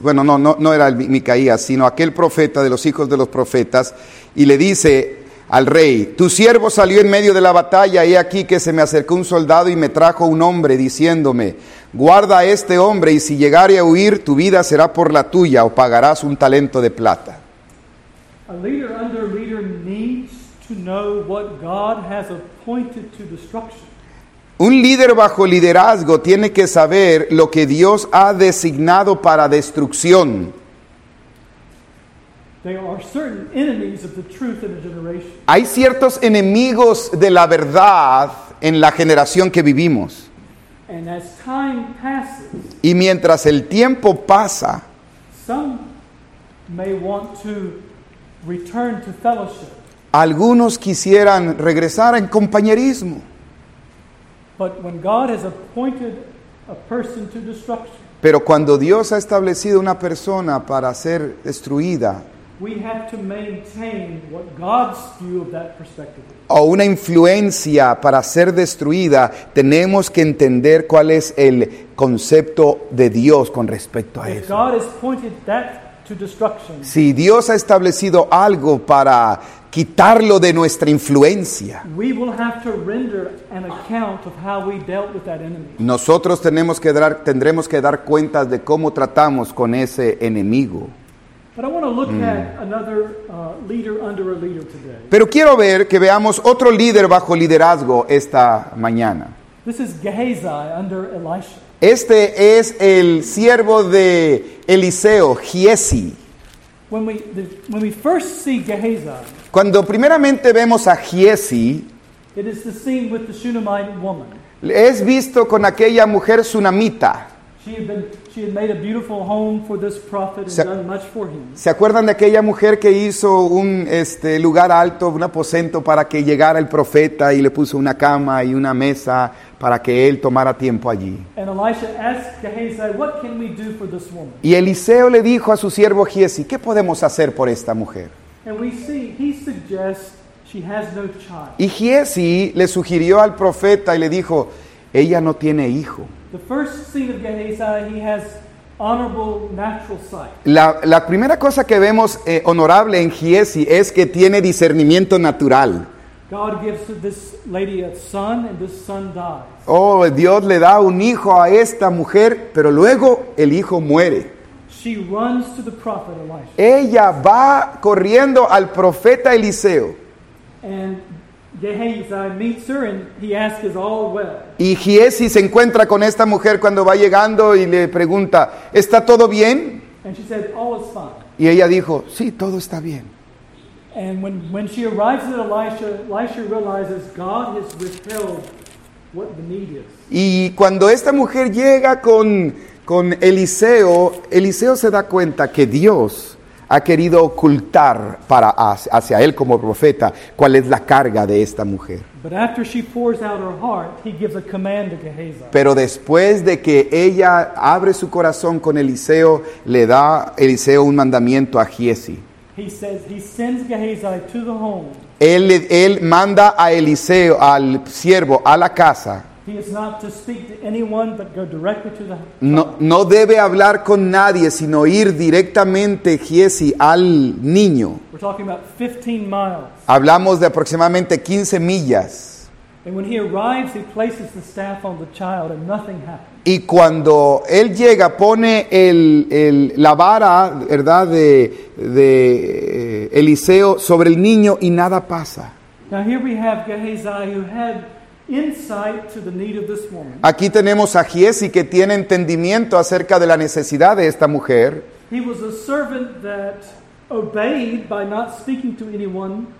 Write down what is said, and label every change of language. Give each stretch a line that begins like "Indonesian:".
Spanish: Bueno, no era Micaías, sino aquel profeta de los hijos de los profetas. Y le dice al rey, tu siervo salió en medio de la batalla. He aquí que se me acercó un soldado y me trajo un hombre, diciéndome, guarda a este hombre y si llegare a huir, tu vida será por la tuya o pagarás un talento de plata.
English: A leader under leader needs to know what God has appointed to destruction.
Spanish: Un líder bajo liderazgo tiene que saber lo que Dios ha designado para destrucción.
English: There are certain enemies of the truth in a generation.
Spanish: Hay ciertos enemigos de la verdad en la generación que vivimos.
English: And as time passes,
Spanish: y mientras el tiempo pasa,
English: some may want to return to fellowship.
Spanish: Algunos quisieran regresar en compañerismo.
English: But when God has appointed a person to destruction,
Spanish: pero cuando Dios ha establecido una persona para ser destruida,
English: we have to maintain what God's view of that perspective is.
Spanish: O una influencia para ser destruida, tenemos que entender cuál es el concepto de Dios con respecto a eso.
English: If God has pointed that to destruction,
Spanish: si Dios ha establecido algo para quitarlo de nuestra influencia,
English: we will have to render an account of how we dealt with that enemy.
Spanish: Nosotros tendremos que dar cuentas de cómo tratamos con ese enemigo.
English: But I want to look at another leader under a leader today.
Spanish: Pero quiero ver que veamos otro líder bajo liderazgo esta mañana.
English: This is Gehazi under Elisha.
Spanish: Este es el siervo de Eliseo, Giesi.
English: When we first see Gehazi,
Spanish: cuando primeramente vemos a Giesi,
English: it is the scene with the Shunammite woman.
Spanish: Es visto con aquella mujer sunamita.
English: She had made a beautiful home for this prophet and done much for him.
Spanish: ¿Se acuerdan de aquella mujer que hizo un lugar alto, un aposento para que llegara el profeta y le puso una cama y una mesa para que él tomara tiempo allí?
English: And Elisha asked Gehazi, "What can we do for this woman?"
Spanish: Y Eliseo le dijo a su siervo Giesi, "¿Qué podemos hacer por esta mujer?"
English: And we see he suggests she has no child.
Spanish: Y Giesi le sugirió al profeta y le dijo, "Ella no tiene hijo."
English: The first scene of Gehazi, he has honorable natural sight.
Spanish: La primera cosa que vemos honorable en Giesi es que tiene discernimiento natural.
English: God gives this lady a son and this son dies.
Spanish: Oh, Dios le da un hijo a esta mujer, pero luego el hijo muere.
English: She runs to the prophet Elisha.
Spanish: Ella va corriendo al profeta Eliseo.
English: And Gehazi meets her and he asks, "Is all well?"
Spanish: Y Giesi se encuentra con esta mujer cuando va llegando y le pregunta, "¿Está todo bien?"
English: And she said, "All is fine."
Spanish: Y ella dijo, "Sí, todo está bien."
English: And when she arrives at Elisha, Elisha realizes God has withheld what the need is.
Spanish: Y cuando esta mujer llega con Eliseo, Eliseo se da cuenta que Dios ha querido ocultar para hacia él como profeta cuál es la carga de esta mujer.
English: But after she pours out her heart, he gives a command to Gehazi.
Spanish: Pero después de que ella abre su corazón con Eliseo, le da Eliseo un mandamiento a Giesi.
English: He says he sends Gehazi to the home.
Spanish: Él manda a Eliseo, al siervo, a la casa.
English: He is not to speak to anyone but go directly to the.
Spanish: No debe hablar con nadie sino ir directamente Giesi al niño.
English: We're talking about 15 miles.
Spanish: Hablamos de aproximadamente 15 millas.
English: And when he arrives, he places the staff on the child and nothing happens.
Spanish: Y cuando él llega, pone la vara, ¿verdad?, de Eliseo sobre el niño y nada pasa.
English: Now here we have Gehazi who had insight to the need of this woman.
Spanish: Aquí tenemos a Giesi que tiene entendimiento acerca de la necesidad de esta mujer.
English: He was a servant that obeyed by not speaking to anyone.